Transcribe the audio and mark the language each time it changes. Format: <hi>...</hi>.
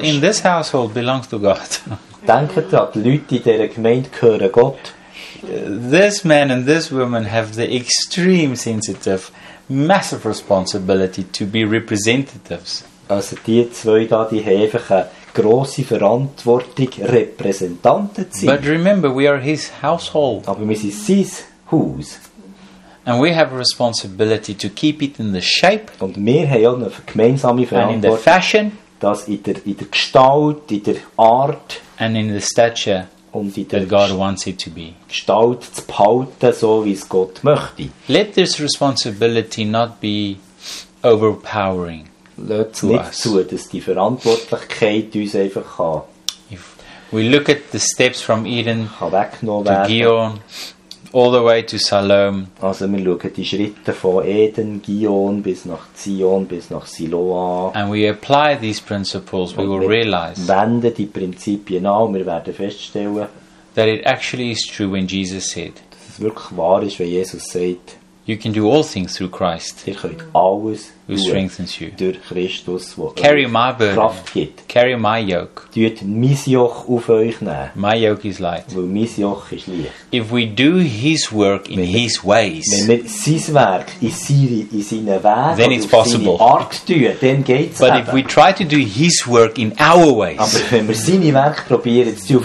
<de>liebst,</de> <en>in this household belongs to God.</en> <de>Denke daran, die Leute in dieser Gemeinde gehören Gott.</de> <en>This man and this woman have the extreme sensitive, massive responsibility to be representatives.</en> <de>Also die zwei da, die haben einfach eine grosse Verantwortung, Repräsentanten zu sein.</de> <en>But remember, we are his household.</en> <de>Aber wir sind sein Haus.</de> <en>And we have a responsibility to keep it in the shape.</en> <de>Und wir haben ja eine gemeinsame Verantwortung.</de> <en>And in the fashion.</en> <de>Das in der Gestalt, in der Art.</de> <en>And in the stature.</en> <de>Und in der</de> <en>that God wants it to be.</en> <de>Gestalt zu behalten, so wie es Gott möchte.</de> <en>Let this responsibility not be overpowering.</en> <de>Lass nicht zu, dass die Verantwortlichkeit uns einfach kann.</de> <en>If we look at the steps from Eden to Gion, all the way to Salome.</en> <de>Also wir schauen die Schritte von Eden, Gion, bis nach Zion, bis nach Siloam.</de> <en>And we apply these principles,</en> <de>und</de> <en>we will realize.</en> <de>Wir wenden die Prinzipien an, wir werden feststellen,</de> <en>that it actually is true when Jesus said.</en> <de>Dass es wirklich wahr ist, wenn Jesus sagt.</de> <en>You can do all things through Christ.</en> <de>Ihr könnt alles</de> <en>who strengthens you.</en> <de>Durch Christus, wo</de> <en>carry my burden.</en> <de>Kraft gibt.</de> <en>Carry my yoke.</en> <de>Tut mein Joch auf euch nehmen.</de> <en>My yoke is light.</en> <de>Weil mein Joch ist leicht.</de> <en>If we do his work in his ways,</en> <de>wenn wir sein Werk in seinen Wegen,</de> <en>then it's possible.</en> <de>Art tun, dann geht's.</de> <en>But if we try to do his work in our ways,</en> <de>aber wenn wir seine Werk probieren zu tun,</de>